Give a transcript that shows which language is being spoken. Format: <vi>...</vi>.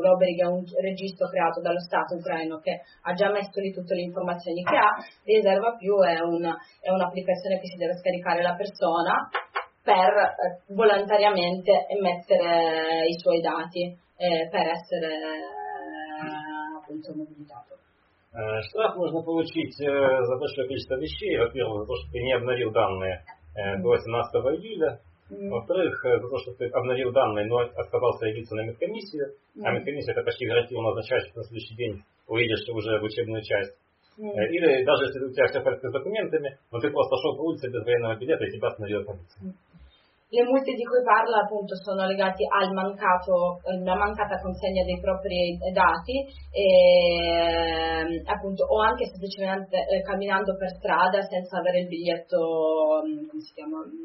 <it>L'Oberig è un registro creato dallo Stato ucraino che ha già messo lì tutte le informazioni che ha. Riserva più è un'applicazione che si deve scaricare la persona per volontariamente mettere i suoi dati per essere appunto mobilitato.</it> <ru>Штраф можно получить за большое количество вещей. Во-первых, за то, что ты не обновил данные до 18 июля. Во-вторых, за то, что ты обновил данные, но отказался явиться на медкомиссию. А медкомиссия это почти гарантированно означает, что на следующий день уедешь уже в учебную часть. Или даже если у тебя все в порядке с документами, но ты просто шел по улице без военного билета и тебя остановила полиция.</ru> <it>Le multe di cui parla appunto sono legate al mancato, alla mancata consegna dei propri dati e, appunto, o anche semplicemente camminando per strada senza avere il biglietto, come si chiama?</it>